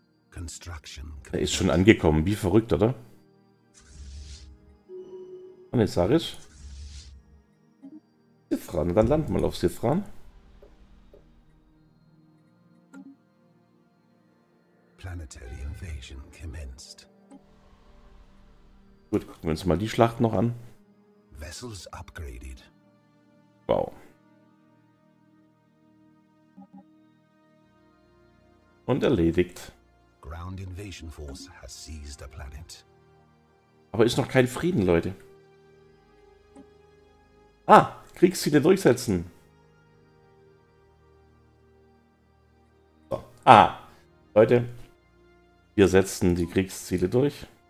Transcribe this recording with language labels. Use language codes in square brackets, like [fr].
[en] Construction. [de] Er ist schon angekommen, wie verrückt, oder? Und jetzt sag ich. Sithran, dann land mal auf Sithran. [en] Planetary Invasion commenced. [de] Gut, gucken wir uns mal die Schlacht noch an. [en] Vessels upgraded. Wow. [de] Und erledigt. [en] Ground Invasion Force has seized a planet. [de] Aber ist noch kein Frieden, Leute. Ah, Kriegsziele durchsetzen. So. Ah, Leute, wir setzen die Kriegsziele durch.